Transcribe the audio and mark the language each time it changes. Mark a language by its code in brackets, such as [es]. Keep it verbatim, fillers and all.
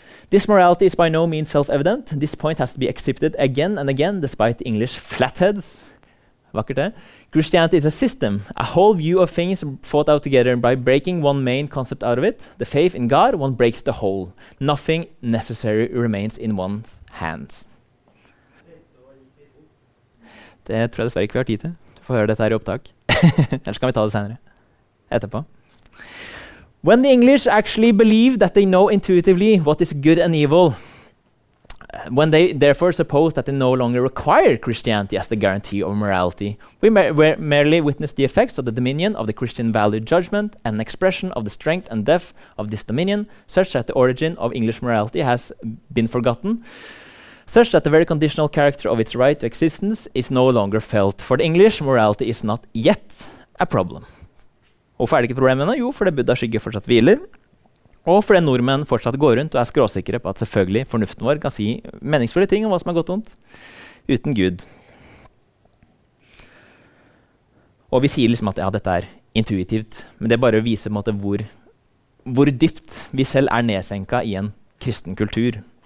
[en] This morality is by no means self-evident. This point has to be accepted again and again, despite English flatheads. [no] Vakkert det. [en] Christianity is a system, a whole view of things fought out together, and by breaking one main concept out of it, the faith in God, one breaks the whole. Nothing necessary remains in one's hands. [no] Det tror jeg dessverre ikke vi har tid til. Du får høre dette her i opptak. Ellers kan vi ta det senere. Etterpå. [en] When the English actually believe that they know intuitively what is good and evil, when they therefore suppose that they no longer require Christianity as the guarantee of morality, we mer- mer- merely witness the effects of the dominion of the Christian value judgment and an expression of the strength and depth of this dominion, such that the origin of English morality has been forgotten, such that the very conditional character of its right to existence is no longer felt. For the English, morality is not yet a problem. [no] Hvorfor er det ikke et problem ennå? Jo, fordi Buddhas skygge fortsatt hviler, og fordi nordmenn fortsatt går rundt og er skråsikre på at selvfølgelig fornuften vår kan si meningsfulle ting om hva som er godt og vondt, uten Gud. Og vi sier liksom at ja, dette er intuitivt, men det bare viser på en måte hvor, hvor dypt vi selv er nedsenka i en kristen kultur.